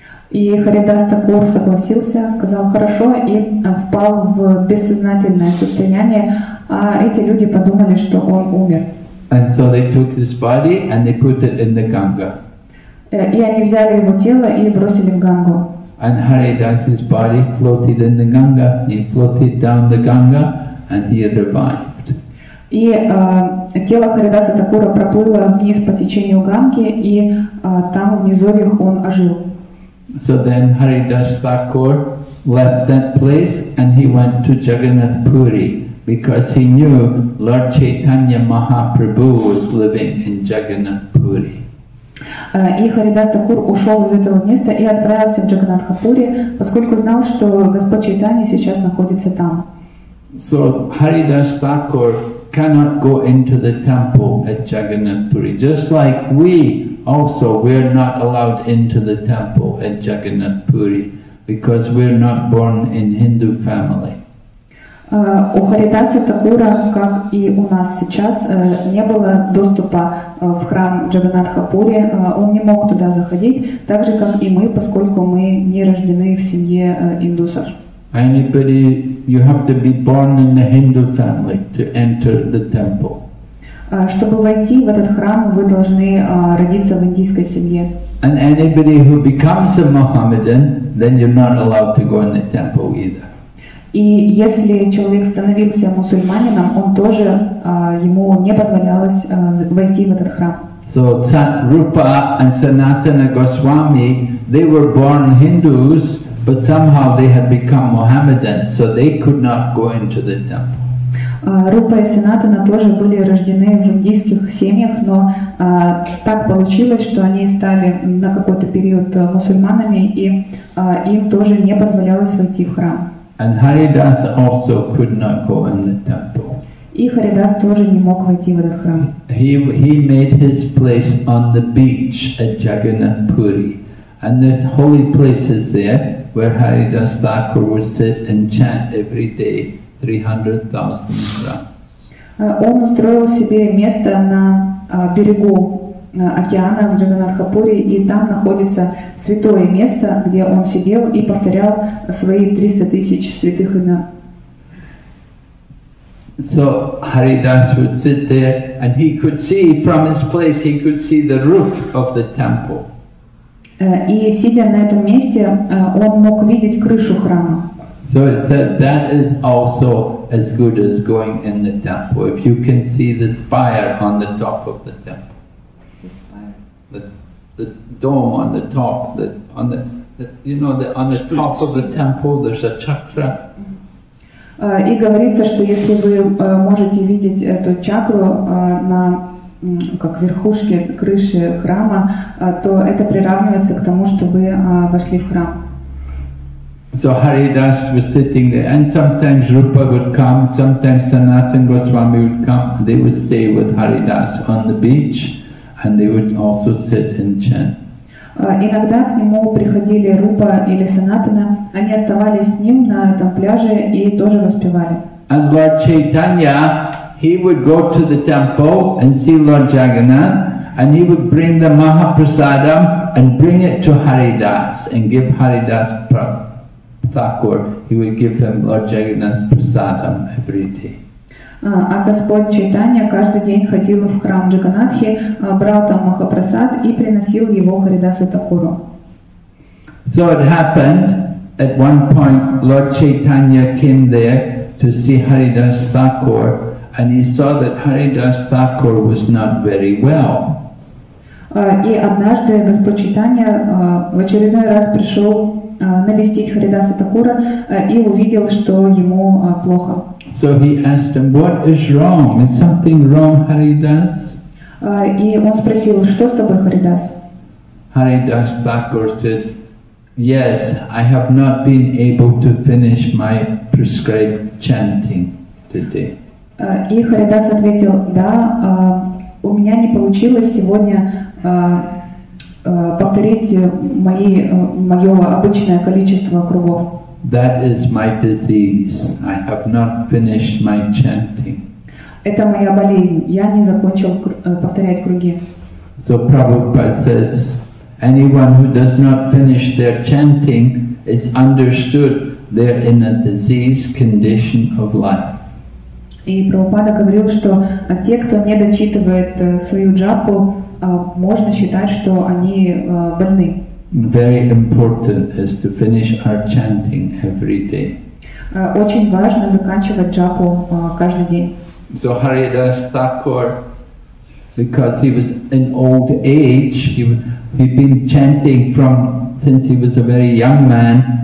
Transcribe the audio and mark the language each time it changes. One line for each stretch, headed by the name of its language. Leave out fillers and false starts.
Russian: И Харидас Такур согласился, сказал хорошо, и впал в бессознательное состояние. А эти люди подумали, что он умер.
English: And so they took his body and they put it in the Ganga.
Russian: И они взяли его тело и бросили в Гангу.
English: And Haridas's body floated in the Ganga. He floated down the Ganga, and he revived.
Russian: И тело Харидаса Такура проплыло вниз по течению Ганги, и там внизу их он ожил.
English: So then Haridas Thakur left that place and he went to Jagannath Puri because he knew Lord Chaitanya Mahaprabhu was living in Jagannath Puri.
Russian: И Харидас Такур ушел из этого места и отправился в Джаганатхапури, поскольку знал, что Господь Чайтанья сейчас находится там.
English: So Haridas Thakur cannot go into the temple at Jagannath Puri. Just like we also, we are not allowed into the temple at Jagannath Puri because we are not born in Hindu family.
Russian: У Харидаса Такура, как и у нас сейчас, не было доступа в храм Джаганатхапури. Он не мог туда заходить, так же как и мы, поскольку мы не рождены в семье индусов.
English: Anybody, you have to be born in the Hindu family to enter the temple.
Russian: Чтобы войти в этот храм, вы должны родиться в индийской семье.
English: And anybody who becomes a Mohammedan, then you're not allowed to go in the temple either.
Russian: И если человек становился мусульманином, он тоже ему не позволялось войти в этот храм.
English: So Satrupa and Sanatana Goswami, they were born Hindus. But somehow they had become Mohammedans, so they could not go into the temple.
Russian: Рупа и Санатана тоже были рождены в индийских семьях, но так получилось, что они стали на какой-то период мусульманами, и им тоже не позволялось войти в храм.
English: And Haridas also could not go in the temple.
Russian: И Харидас тоже не мог войти в этот храм.
English: He made his place on the beach at Jagannath Puri, and there's holy places there where Haridas Thakur would sit and chant every day 300,000 rounds.
Russian: Он устроил себе место на берегу океана в Джаганатхапури, и там находится святое место, где он сидел и повторял свои 300,000 святых имен.
English: So Haridas would sit there, and he could see from his place, he could see the roof of the temple.
Russian: И сидя на этом месте, он мог видеть крышу храма.
English: So it said that is also as good as going in the temple. If you can see the spire on the top of the temple. The spire. The dome on the top, on the Spirit. Top of the temple there's a chakra.
Russian: И говорится, что если вы можете видеть эту чакру на как верхушки крыши храма, то это приравнивается к тому, что вы вошли в храм.
English: So Haridas was sitting there, and sometimes Rupa would come, sometimes Sanatan Goswami would come, they would stay with Haridas on the beach, and they would also sit and chant.
Russian: Иногда к нему приходили Рупа или Санатана, они оставались с ним на этом пляже и тоже воспевали.
English: And Lord Chaitanya, he would go to the temple and see Lord Jagannath, and he would bring the Mahaprasadam and bring it to Haridas and give Haridas Thakur. He would give him Lord Jagannath's Prasadam every day.
Russian: А Господь Чайтанья каждый день ходил в храм Джаганатхи, брал там Махапрасад и приносил его Харидасу Такуру.
English: So it happened, at one point Lord Chaitanya came there to see Haridas Thakur, and he saw that Haridas Thakur was not very well.
Russian: И однажды Господь Чайтанья в очередной раз пришел навестить Харидаса Такура и увидел, что ему плохо.
English: So he asked him, what is wrong? Is something wrong, Haridas?
Russian: И он спросил, что с тобой, Харидас?
English: Haridas Thakur said, yes, I have not been able to finish my prescribed chanting today.
Russian: И Харидас ответил, да, у меня не получилось сегодня повторить мое обычное количество кругов.
English: That is my disease. I have not finished my chanting.
Russian: Это моя болезнь. Я не закончил повторять круги.
English: So Prabhupada says, anyone who does not finish their chanting is understood they're in a disease condition of life.
Russian: И Прабхупада говорил, что те, кто не дочитывает свою джапу, можно считать, что они больны.
English: Very important is to finish our chanting every day.
Russian: Очень важно заканчивать джапу каждый день.
English: So Haridas Thakur, because he was in old age, he'd been chanting from since he was a very young man.